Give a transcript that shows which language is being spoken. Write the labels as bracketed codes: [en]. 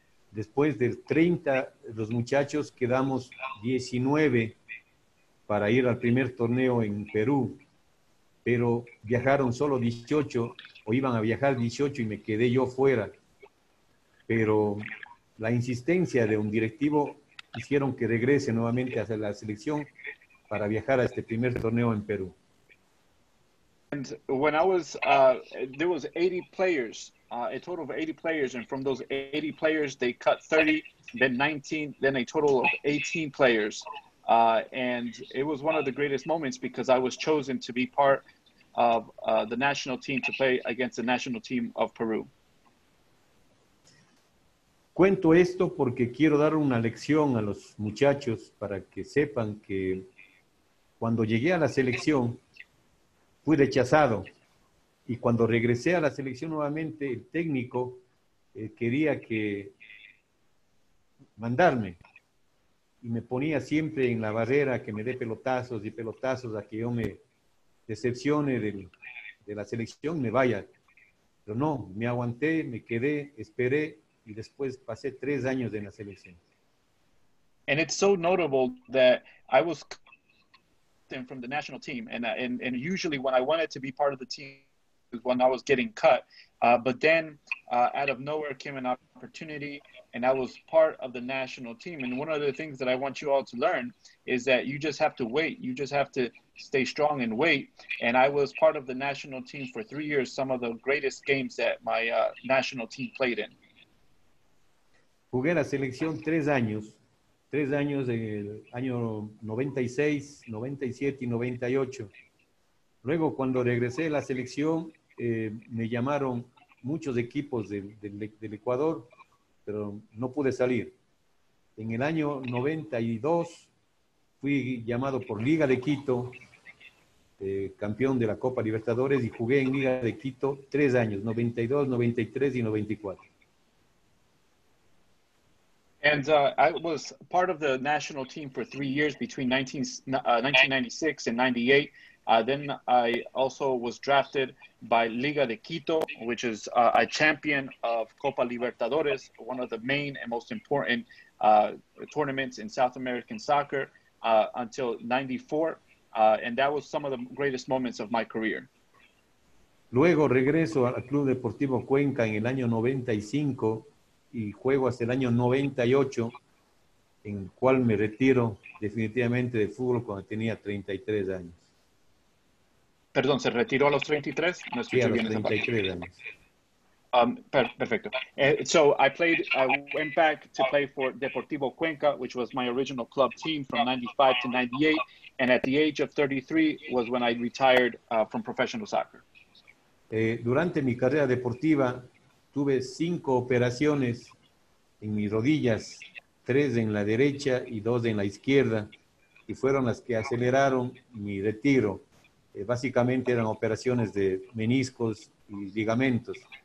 [es] Después de 30, los muchachos quedamos 19 para ir al primer torneo en Perú, pero viajaron solo 18, o iban a viajar 18 y me quedé yo fuera. Pero la insistencia de un directivo hicieron que regrese nuevamente a la selección para viajar a este primer torneo en Perú. [en] And when I was, there was 80 players, a total of 80 players, and from those 80 players, they cut 30, then 19, then a total of 18 players. And it was one of the greatest moments because I was chosen to be part of the national team to play against the national team of Peru. [es] Cuento esto porque quiero dar una lección a los muchachos para que sepan que cuando llegué a la selección, fui rechazado. Y cuando regresé a la selección nuevamente, el técnico quería que mandarme. Y me ponía siempre en la barrera que me dé pelotazos y pelotazos a que yo me decepcione de la selección y me vaya. Pero no, me aguanté, me quedé, esperé y después pasé 3 años en la selección. [en] And it's so notable that I was cut from the national team. And usually when I wanted to be part of the team, when I was getting cut, but then out of nowhere came an opportunity and I was part of the national team. And one of the things that I want you all to learn is that you just have to wait. You just have to stay strong and wait. And I was part of the national team for 3 years, some of the greatest games that my national team played in. [es] Jugué la selección 3 años. 3 años, el año 96, 97 y 98. Luego, cuando regresé a la selección, me llamaron muchos equipos del Ecuador, pero no pude salir. En el año 92 fui llamado por Liga de Quito, campeón de la Copa Libertadores, y jugué en Liga de Quito 3 años, 92, 93 y 94. [en] And I was part of the national team for 3 years between 1996 and 98. Then I also was drafted by Liga de Quito, which is a champion of Copa Libertadores, one of the main and most important tournaments in South American soccer until 94. And that was some of the greatest moments of my career. [es] Luego regreso al Club Deportivo Cuenca en el año 95 y juego hasta el año 98, en el cual me retiro definitivamente de fútbol cuando tenía 33 años. Perdón, ¿se retiró a los 33? No escucho bien esa parte. Sí, a los 33 años. Perfecto. [en] I went back to play for Deportivo Cuenca, which was my original club team from 95 to 98. And at the age of 33 was when I retired from professional soccer. [es] Durante mi carrera deportiva, tuve 5 operaciones en mis rodillas, 3 en la derecha y 2 en la izquierda, y fueron las que aceleraron mi retiro. Básicamente eran operaciones de meniscos y ligamentos.